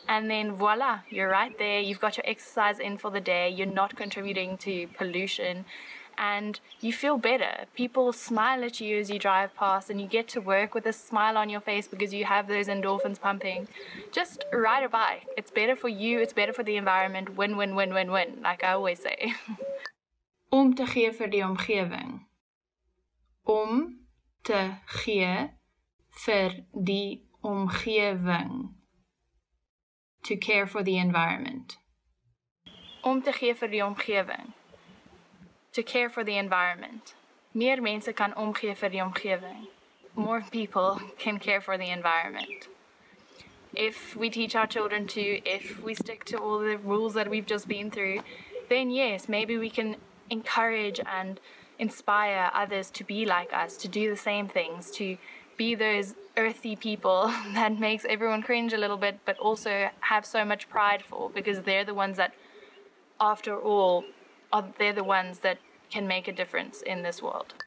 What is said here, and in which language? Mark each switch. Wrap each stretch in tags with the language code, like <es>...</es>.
<en>And then voila, you're right there. You've got your exercise in for the day. You're not contributing to pollution. and you feel better. People smile at you as you drive past, and you get to work with a smile on your face because you have those endorphins pumping. Just ride a bike. It's better for you, it's better for the environment. Win, win, win, win, win, like I always say.</en> <af>Om te gee vir die omgewing. Om te gee vir die omgewing.</af> <en>To care for the environment.</en> <af>Om te gee vir die omgewing.</af> <en>To care for the environment.</en> <af>Meer mense kan omgee vir die omgewing.</af> <en>More people can care for the environment. If we teach our children to, if we stick to all the rules that we've just been through, then yes, maybe we can encourage and inspire others to be like us, to do the same things, to be those earthy people that makes everyone cringe a little bit, but also have so much pride for, because they're the ones that, after all, they're the ones that can make a difference in this world.</en>